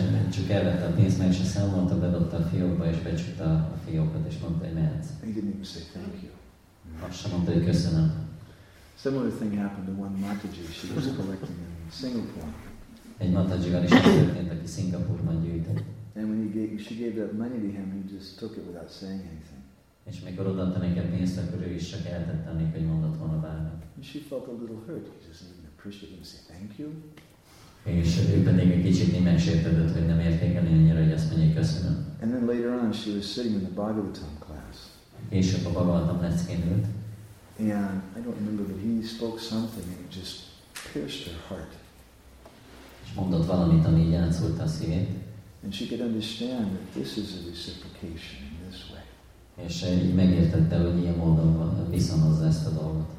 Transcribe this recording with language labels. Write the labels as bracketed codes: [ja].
[hu] Csak elvette a pénzt, meg se számolta, bedobta a fiókba, és becsukta a fiókot, és mondta, hogy mehetsz. [en] He didn't even say thank you. [hu] Azt sem mondta, hogy köszönöm. [en] Similar thing happened to one Mataji. She was collecting in Singapore. [hu] Egy Matajival is történt, aki Szingapúrban gyűjtött. [en] And when she gave that money to him, he just took it without saying anything. [hu] És mikor odaadta neki a pénzt, akkor ő is csak eltette, amikor egy mondat volna bármit. [en] And she felt a little hurt. He just didn't appreciate it and say thank you. [hu] És ő pedig egy kicsit megsértődött, hogy nem értékeli annyira, hogy azt mondja, köszönöm. [en] And then later on, she was sitting in the Bhagavatam class. [hu] És a Bhagavatam leckén ült. [en] And I don't remember, but he spoke something and it just pierced her heart. [hu] És mondott valamit, ami így átszúrta a szívét. [en] And she could understand that this is a reciprocation in this way. [hu] És így megértette, hogy ilyen módon viszonozza ezt a dolgot.